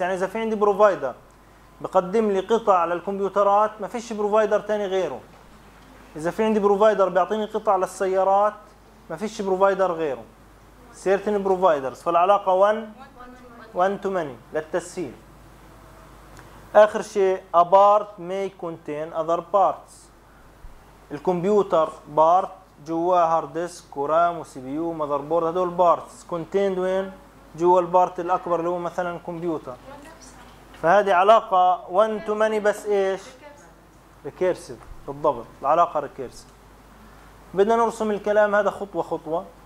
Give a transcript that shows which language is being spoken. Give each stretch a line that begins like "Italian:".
Arabic: يعني اذا في عندي provider بقدم لي قطع للكمبيوترات، ما فيش provider ثاني غيره. اذا في عندي provider بيعطيني قطع للسيارات، ما فيش provider غيره.
English: certain providers،
Arabic: فالعلاقه
English: one to many
Arabic: للتسهيل.
English: اخر شيء a part may contain other parts.
Arabic: الكمبيوتر بارت جوا هارد ديسك ورام وسي بي يو ومذر بورد، هذول بارتس كونتيند وين؟ جوا البارت الاكبر اللي هو مثلا كمبيوتر. فهذه علاقه 1 تو ماني، بس ايش؟ ريكيرسيف. بالضبط العلاقه ريكيرسيف. بدنا نرسم الكلام هذا خطوه خطوه.